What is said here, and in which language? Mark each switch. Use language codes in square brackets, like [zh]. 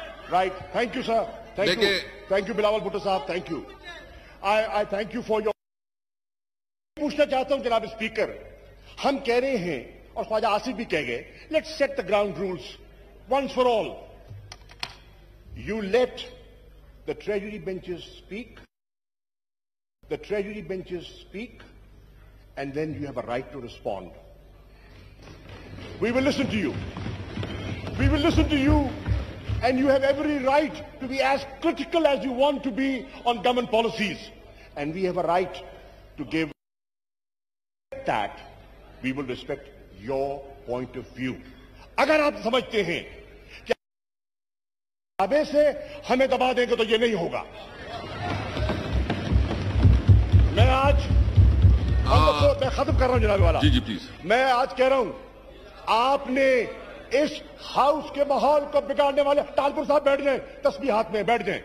[en] Right, thank you sir, thank you Bilawal Bhutto صاحب، thank you, I thank you for your. [ur] پوچھنا چاہتا ہوں جناب اسپیکر، ہم کہہ رہے ہیں اور خواجہ آصف بھی کہہ گئے، [en] Let set the ground rules once for all. You let the treasury benches speak, the treasury benches speak, and then you have a right to respond. We will listen to you, we will listen to you, and you have every right to be as critical as you want to be on government policies, and we have a right to give that. We will respect your point of view. [ur] Agar aap samajhte hain آبے سے ہمیں دبا دیں گے تو یہ نہیں ہوگا۔ میں آج میں ختم کر رہا ہوں جناب والا، جی جی پلیز، میں آج کہہ رہا ہوں آپ نے اس ہاؤس کے ماحول کو بگاڑنے والے، ٹالپور صاحب بیٹھ جائیں، تسبیحات میں بیٹھ جائیں۔